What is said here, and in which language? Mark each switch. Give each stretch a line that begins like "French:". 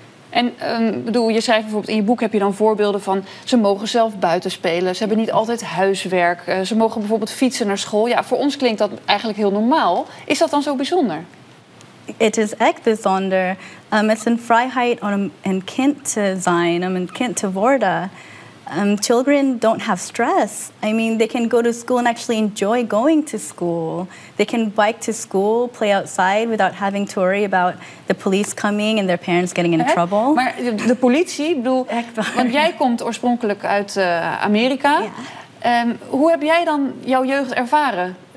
Dutch: En je schrijft bijvoorbeeld in je boek heb je dan voorbeelden van ze mogen zelf buiten spelen, ze hebben niet altijd huiswerk, ze mogen bijvoorbeeld fietsen naar school. Ja, voor ons klinkt dat eigenlijk heel normaal. Is dat dan zo bijzonder? Het is echt bijzonder. Het is een vrijheid om een kind te zijn, om een kind te worden.
English: Children don't have stress. I mean, they can go to school and actually enjoy going to school. They can bike to school, play outside without having to worry about the police coming and their parents getting in trouble.
Dutch: Maar de politie, ik bedoel, want jij komt oorspronkelijk uit Amerika.
English: Yeah.
Dutch: Hoe heb jij dan jouw jeugd ervaren?